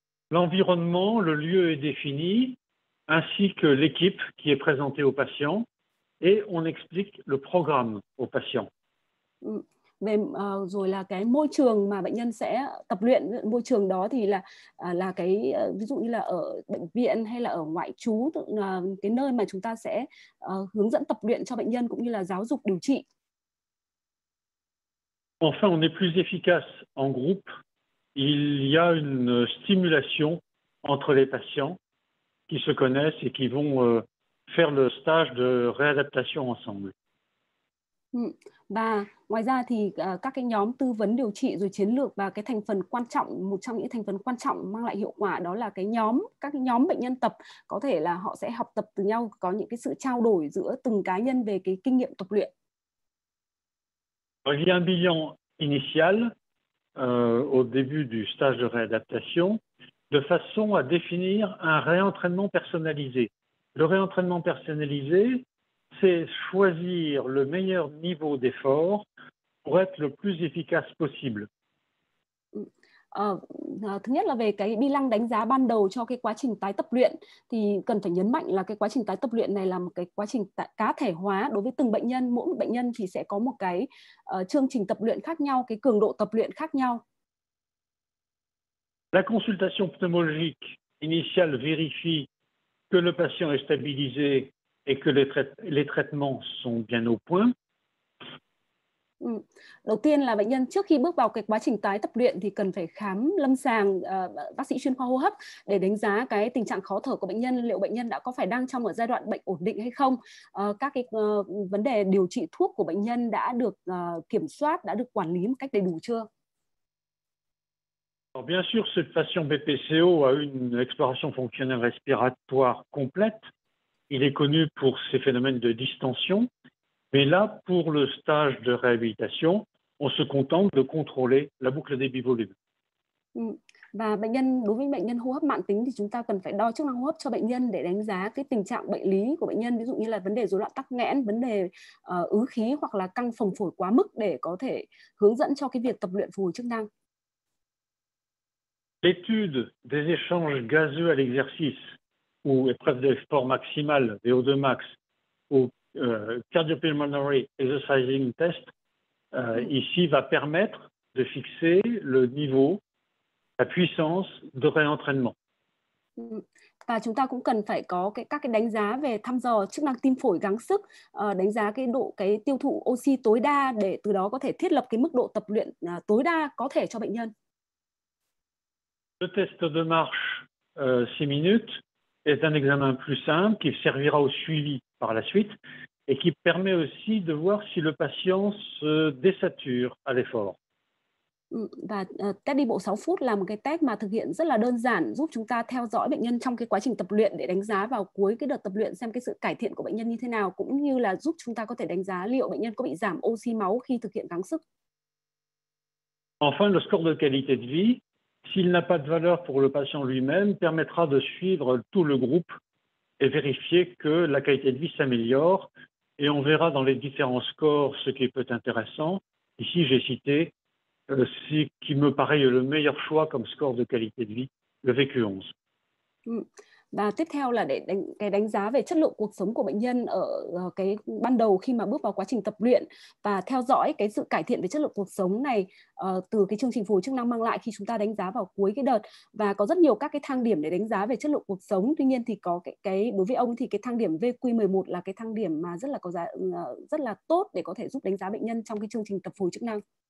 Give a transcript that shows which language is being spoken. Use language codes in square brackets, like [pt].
[fr] L'environnement, le lieu est défini ainsi que l'équipe qui est présentée au patient et on explique le programme au patient. [vi] Về, rồi là cái môi trường mà bệnh nhân sẽ tập luyện, môi trường đó thì là cái ví dụ như là ở bệnh viện hay là ở ngoại trú, cái nơi mà chúng ta sẽ hướng dẫn tập luyện cho bệnh nhân cũng như là giáo dục điều trị. [fr] Enfin, on est plus efficace en groupe. Il y a une stimulation entre les patients qui se connaissent et qui vont faire le stage de réadaptation ensemble. [vi] Và ngoài ra thì các cái nhóm tư vấn điều trị rồi chiến lược và cái thành phần quan trọng, một trong những thành phần quan trọng mang lại hiệu quả đó là cái nhóm, các cái nhóm bệnh nhân tập có thể là họ sẽ học tập từ nhau, có những cái sự trao đổi giữa từng cá nhân về cái kinh nghiệm tập luyện. [fr] Il y a un bilan initial au début du stage de réadaptation de façon à définir un réentraînement personnalisé. Le réentraînement personnalisé, c'est choisir le meilleur niveau d'effort pour être le plus efficace possible. [vi] Thứ nhất là về cái bi lăng đánh giá ban đầu cho cái quá trình tái tập luyện, thì cần phải nhấn mạnh là cái quá trình tái tập luyện này là một cái quá trình cá thể hóa đối với từng bệnh nhân. Mỗi một bệnh nhân thì sẽ có một cái chương trình tập luyện khác nhau, cái cường độ tập luyện khác nhau. [fr] La consultation pneumologique initiale vérifie que le patient est stabilisé et que les traitements sont bien au point. [vi] Đầu tiên là bệnh nhân trước khi bước vào cái quá trình tái tập luyện thì cần phải khám lâm sàng bác sĩ chuyên khoa hô hấp để đánh giá cái tình trạng khó thở của bệnh nhân, liệu bệnh nhân đã có phải đang trong ở giai đoạn bệnh ổn định hay không, các cái vấn đề điều trị thuốc của bệnh nhân đã được kiểm soát, đã được quản lý một cách đầy đủ chưa. [fr] Alors bien sûr, cette patient BPCO a une exploration fonctionnelle respiratoire complète. Il est connu pour ses phénomènes de distension. Mais là, pour le stage de réhabilitation, on se contente de contrôler la boucle des bivolumes. [vi] Và bệnh nhân, đối với bệnh nhân hô hấp mạn tính thì chúng ta cần phải đo chức năng hô hấp cho bệnh nhân để đánh giá cái tình trạng bệnh lý của bệnh nhân, ví dụ như là vấn đề rối loạn tắc nghẽn, vấn đề ứ khí hoặc là căng phồng phổi quá mức để có thể hướng dẫn cho cái việc tập luyện phục hồi chức năng. [fr] L'étude des échanges gazeux à l'exercice ou épreuve d'effort maximal VO2 max ou cardiopulmonary exercising test ici va permettre de fixer le niveau, la puissance de réentraînement. [vi] Và chúng ta cũng cần phải có cái, các cái đánh giá về thăm dò chức năng tim phổi gắng sức, đánh giá cái độ cái tiêu thụ oxy tối đa để từ đó có thể thiết lập cái mức độ tập luyện tối đa có thể cho bệnh nhân. [fr] Le test de marche 6 minutes est un examen plus simple qui servira au suivi par la suite et qui permet aussi de voir si le patient se désature à l'effort. [vi] Và test đi bộ 6 phút là một cái test mà thực hiện rất là đơn giản, giúp chúng ta theo dõi bệnh nhân trong cái quá trình tập luyện để đánh giá vào cuối cái đợt tập luyện xem cái sự cải thiện của bệnh nhân như thế nào, cũng như là giúp chúng ta có thể đánh giá liệu bệnh nhân có bị giảm oxy máu khi thực hiện gắng sức. [fr] Enfin, le score de qualité de vie, s'il n'a pas de valeur pour le patient lui-même, permettra de suivre tout le groupe et vérifier que la qualité de vie s'améliore. Et on verra dans les différents scores ce qui peut être intéressant. Ici, j'ai cité ce qui me paraît le meilleur choix comme score de qualité de vie, le VQ11. [vi] Và tiếp theo là để đánh, cái đánh giá về chất lượng cuộc sống của bệnh nhân ở cái ban đầu khi mà bước vào quá trình tập luyện và theo dõi cái sự cải thiện về chất lượng cuộc sống này từ cái chương trình phục hồi chức năng mang lại khi chúng ta đánh giá vào cuối cái đợt. Và có rất nhiều các cái thang điểm để đánh giá về chất lượng cuộc sống, tuy nhiên thì có cái đối với ông thì cái thang điểm VQ11 là cái thang điểm mà rất là có giá, rất là tốt để có thể giúp đánh giá bệnh nhân trong cái chương trình tập phục hồi chức năng.